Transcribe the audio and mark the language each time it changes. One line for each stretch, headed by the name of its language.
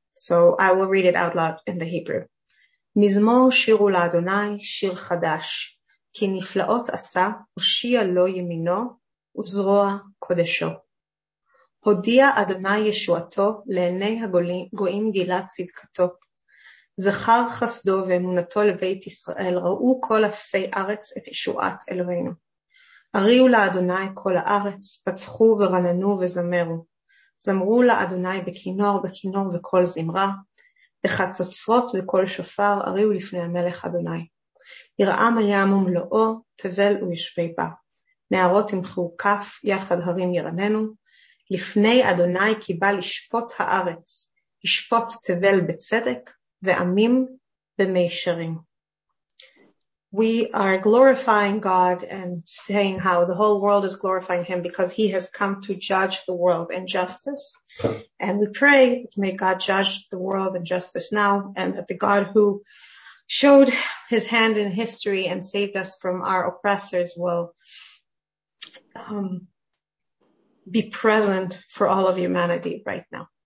English: So I will read it out loud in the Hebrew.
Hebrew: Mizmor shiru la'Adonai shir chadash. כי נפלאות עשה, הושיע לו ימינו וזרוע קודשו. הודיע אדוני ישועתו לעיני הגויים גילת צדקתו. זכר חסדו ואמונתו לבית ישראל, ראו כל אפסי ארץ את ישועת אלוהינו. הריעו לאדוני כל הארץ, פצחו ורננו וזמרו. זמרו לאדוני בכינור, בכינור וכל זמרה. בחצוצרות וכל שופר, הריעו לפני המלך אדוני. ירעם הים ומלואו, תבל וישבי בה. נערות ימחו כף, יחד הרים ירננו. לפני אדוני כי בא לשפוט הארץ, ישפוט תבל בצדק, ועמים במישרים.
English: We are glorifying God and saying how the whole world is glorifying him because he has come to judge the world in justice. And we pray that may God judge the world in justice now, and that the God who showed his hand in history and saved us from our oppressors will be present for all of humanity right now.